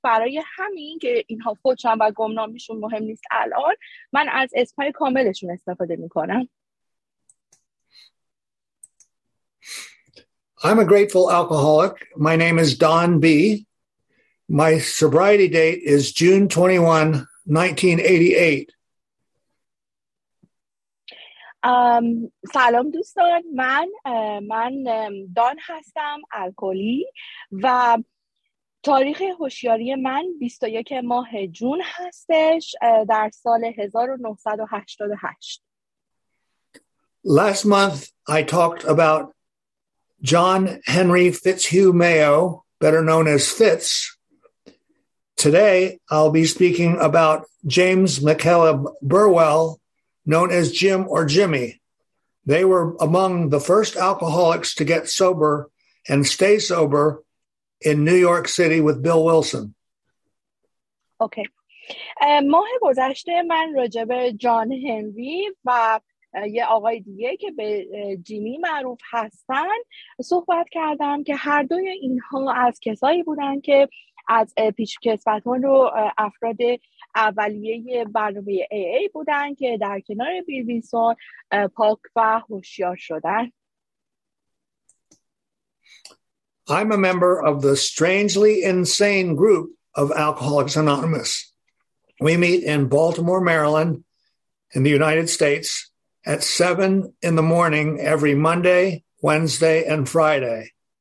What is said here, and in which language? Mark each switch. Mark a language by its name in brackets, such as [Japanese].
[Persian] برای همین که اینها فوت شدن و گمنامیشون مهم نیست الان، من از اسمای کاملشون استفاده میکنم. [English] I'm a grateful alcoholic. My name is Don B. My sobriety date is June 21, 1988. [Persian] سلام دوستان، من دان هستم، الکلی، و تاریخ هوشیاری من 21 ماه جون هستش در سال 1988. [English] Last month I talked about John Henry Fitzhugh Mayo, better known as Fitz. Today, I'll be speaking about James McKellab Burwell, known as Jim or Jimmy. They were among the first alcoholics to get sober and stay sober in New York City with Bill Wilson. Okay. [Persian] ماه گذشته من راجع به جان هنری و یه آقای دیگه که به جیمی معروف هستن صحبت کردم که هر دوی اینها از کسایی بودن که از پیش کسبتان رو افراد اولیه برنامه ای ای بودن که در کنار بیل وینسون پاک و هوشیار شدن. [English] I'm a member of the strangely insane group of Alcoholics Anonymous. We meet in Baltimore, Maryland, in the United States, at 7 in the morning every Monday, Wednesday, and Friday.